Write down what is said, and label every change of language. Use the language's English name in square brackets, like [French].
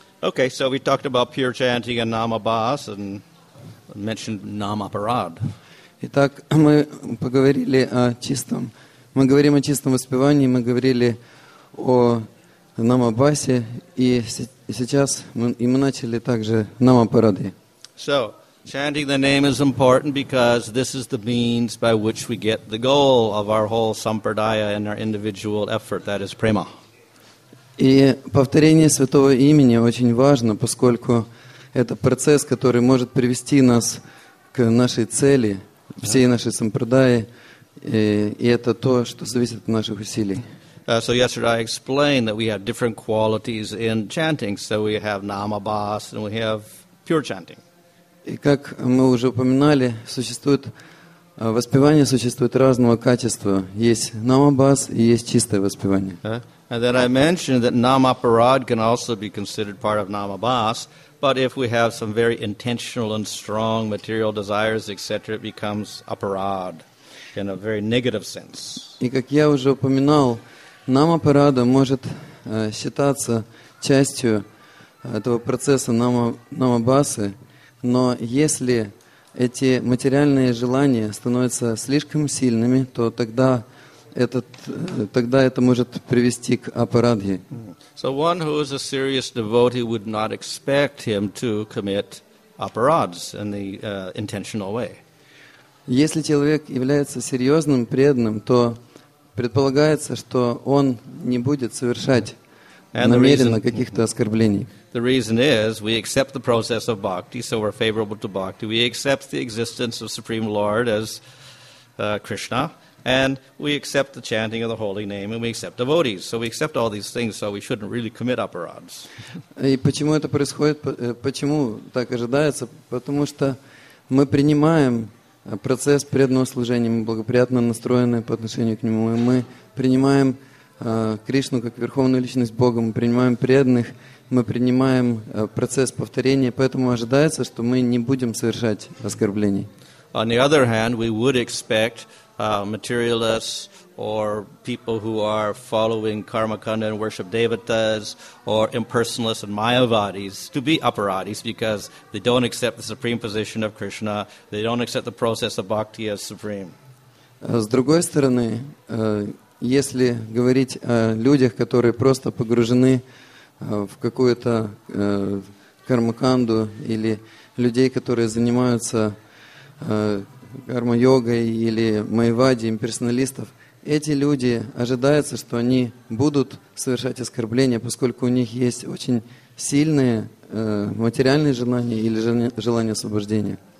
[English] Okay, so we talked about pure chanting and Namabhas and mentioned Namaparad. [Russian] Итак, мы поговорили о чистом. Мы говорим о чистом воспевании, мы говорили о Намабасе, и сейчас мы начали также Намапарады. [English] So, chanting the name is important because this is the means by which we get the goal of our whole sampradaya and our individual effort, that is prema. [Russian] И повторение святого имени очень важно, поскольку это процесс, который может привести нас к нашей цели, всей нашей сампрадаи, и это то, что зависит от наших усилий. [English] So yesterday I explained that we have different qualities in chanting. So we have namabhas and we have pure chanting. [Russian] И как мы уже упоминали, существует воспевание существует разного качества. Есть намабас и есть чистое воспевание. [English] And then I mentioned that Namaparad can also be considered part of Namabhas, but if we have some very intentional and strong material desires, etc., it becomes Aparad in a very negative sense. [Russian] И как я уже упоминал, Намапарада может считаться частью этого процесса Намабасы, но если эти материальные желания становятся слишком сильными, то тогда тогда это может привести к апарадхи. [English] So one who is a serious devotee would not expect him to commit aparads in the intentional way. [Russian] Если человек является серьезным преданным, то предполагается, что он не будет совершать намеренно каких-то оскорблений. [English] The reason is we accept the process of bhakti, so we're favorable to bhakti. We accept the existence of Supreme Lord as Krishna. And we accept the chanting of the holy name, and we accept devotees. So we accept all these things, so we shouldn't really commit aparads. [Russian] И почему это происходит? Почему так ожидается? Потому что мы принимаем процесс преданного служения, мы благоприятно настроены по отношению к нему, и мы принимаем Кришну как верховную личность Бога, мы принимаем преданных, мы принимаем процесс повторения, поэтому ожидается, что мы не будем совершать оскорблений. [English] On the other hand, we would expect materialists or people who are following karmakanda and worship devatas or impersonalists and mayavadis to be aparadis because they don't accept the supreme position of Krishna, they don't accept the process of bhakti as supreme. [Russian] С другой стороны, если говорить о людях, которые просто погружены в какую-то кармаканду или людей, которые занимаются карма-йогой или майвади, имперсоналистов, эти люди ожидаются, что они будут совершать оскорбления, поскольку у них есть очень сильные материальные желания или желания освобождения.